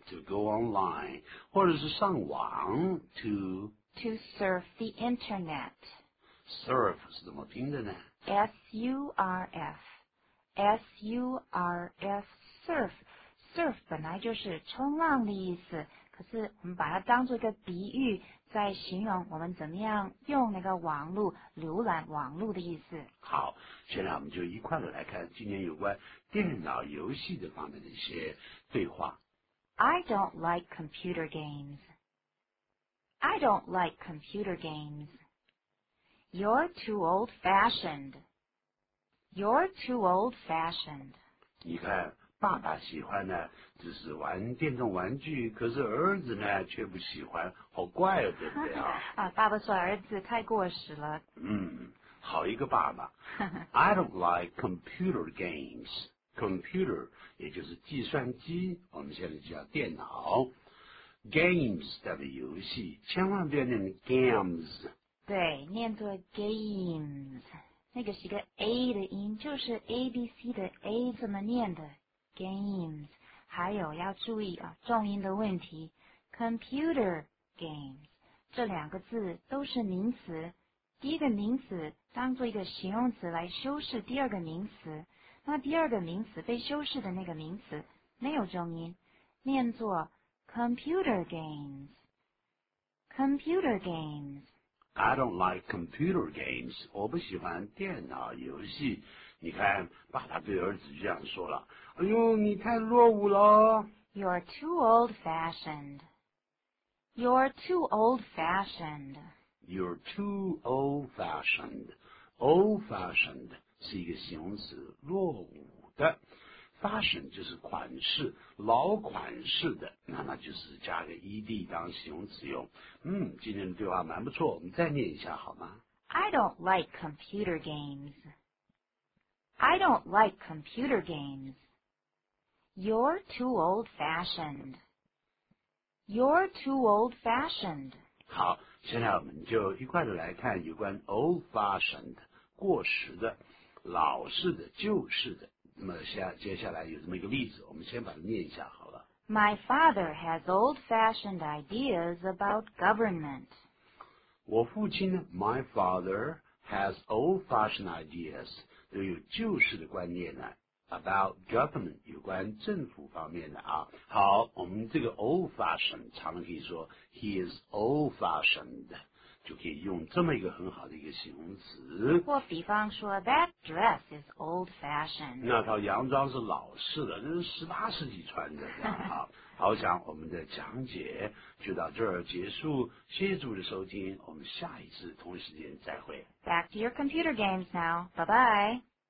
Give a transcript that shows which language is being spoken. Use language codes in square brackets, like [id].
[en] To go online, [zh] 或者是上网 [en] to surf the internet. [zh] Surf 是怎么拼的呢？ [en] S-U-R-F. S-U-R-F, surf. [zh] Surf 本来就是冲浪的意思，可是我们把它当作一个比喻，在形容我们怎么样用那个网路，浏览网路的意思。好，现在我们就一块来看今天有关电脑游戏的方面的一些对话。 [en] I don't like computer games. I don't like computer games. You're too old-fashioned. You're too old-fashioned. [zh] 你看，爸爸喜欢呢，就是玩电动玩具，可是儿子呢，却不喜欢，好怪啊，对不对啊？啊，爸爸说儿子太过时了。好一个爸爸。 [en] I don't like computer games. [zh] Computer, 也就是计算机，我们现在叫电脑。 Games, 代表游戏，千万不要念 games. 对，念作 games. 那个是一个 A 的音，就是 ABC 的 A 怎么念的 ？Games， 还有要注意啊，重音的问题。 Computer games 这两个字都是名词，第一个名词当作一个形容词来修饰第二个名词，那第二个名词被修饰的那个名词没有重音，念作 computer games。 Computer games。 I don't like computer games. 我不喜欢电脑游戏。你看，爸爸对儿子这样说了。哎呦，你太落伍了。 [en] You're too old-fashioned. You're too old-fashioned. You're too old-fashioned. [zh] Old-fashioned 是一个形容词，落伍的。 Fashion 就是款式，老款式的，那么就是加个 ed 当形容词用。今天的对话蛮不错，我们再念一下好吗 [en] ？I don't like computer games. I don't like computer games. You're too old-fashioned. You're too old-fashioned. [zh] 好，现在我们就一块的来看有关 old-fashioned 过时的、老式的、旧式的。那么接下来有这么一个例子，我们先把它念一下好了。 [en] My father has old-fashioned ideas about government. [zh] 我父亲 ， [en] My father has old-fashioned ideas， [zh] 都有旧式的观念呢。 [en] About government， [zh] 有关政府方面的啊。好，我们这个 old-fashioned， 常常可以说 [en] he is old-fashioned。 [zh] 就可以用这么一个很好的一个形容词。或比方说 [en] ，that dress is old-fashioned。 [zh] 那套洋装是老式的，那是十八世纪穿的。好，好，讲我们的讲解就到这儿结束。谢谢主的收听，我们下一次同一时间再会。 [en] Back to your computer games now. Bye bye.